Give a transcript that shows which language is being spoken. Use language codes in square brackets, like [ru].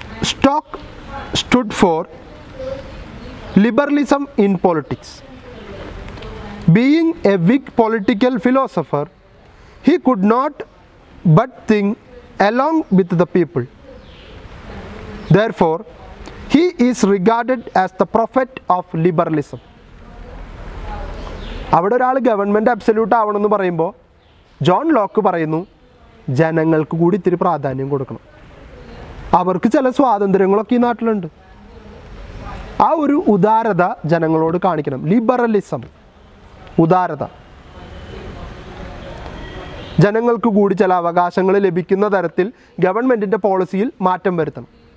[en] Stock stood for liberalism in politics. Being a Whig political philosopher, he could not but think along with the people. Therefore, he is regarded as the prophet of liberalism. [ml] അവിടെ ഒരാൾ government absolute ആവണമെന്ന് പറയുമ്പോൾ John Locke പറയുന്നു ജനങ്ങൾക്ക് കൂടി ഇത്തിരി പ്രാധാന്യം കൊടുക്കണം, അവർക്ക് ചില സ്വാതന്ത്ര്യങ്ങളൊക്കെ ഈ നാട്ടിലുണ്ട്, ആ ഒരു ഉദാരത ജനങ്ങളോട് കാണിക്കണം. ലിബറലിസം, ഉദാരത, ജനങ്ങൾക്ക് കൂടി ചില അവകാശങ്ങൾ ലഭിക്കുന്ന തരത്തിൽ ഗവൺമെൻറ്റിൻ്റെ പോളിസിയിൽ മാറ്റം വരുത്തണം.